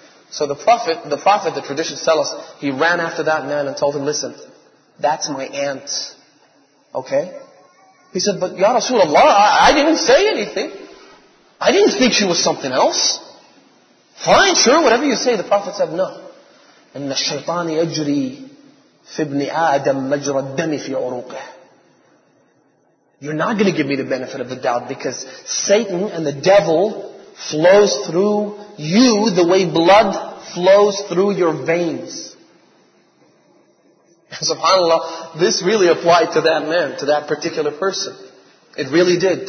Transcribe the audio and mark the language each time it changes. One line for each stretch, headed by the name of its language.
English: So the Prophet, the traditions tell us, he ran after that man and told him, listen, that's my aunt. Okay? He said, but Ya Rasulullah, I didn't say anything. I didn't think she was something else. Fine, sure, whatever you say. The Prophet said, no.
Arabic: إن الشيطان يجري في ابن آدم مجرى الدم في عروقه.
English: You're not going to give me the benefit of the doubt because Satan and the devil flows through you the way blood flows through your veins. SubhanAllah, this really applied to that man, to that particular person. It really did.